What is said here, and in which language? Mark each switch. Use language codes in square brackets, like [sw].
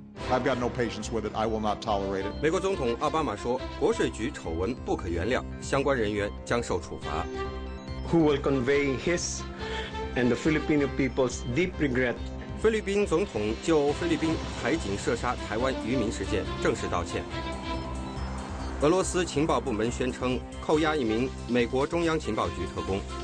[en] I've got no patience with it. I will not tolerate it. [zh] 美国总统奥巴马说，国税局丑闻不可原谅，相关人员将受处罚。 [en] Who will convey his and the Filipino people's deep regret? [zh] 菲律宾总统就菲律宾海警射杀台湾渔民事件正式道歉。俄罗斯情报部门宣称扣押一名美国中央情报局特工。